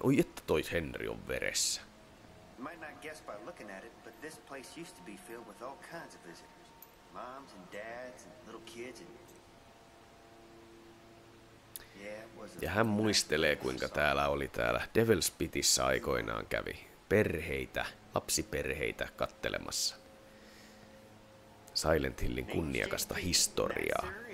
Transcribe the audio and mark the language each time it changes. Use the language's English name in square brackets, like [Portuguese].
[Finnish] Oi, että toi Henry on veressä. [English] Might not guess by looking at it, but this place used to be filled with all kinds of visitors. Moms and dads and little kids and... [Finnish] Ja hän muistelee, kuinka täällä oli täällä Devil's Pitissä aikoinaan kävi perheitä, lapsiperheitä kattelemassa. Silent Hillin kunniakasta historiaa.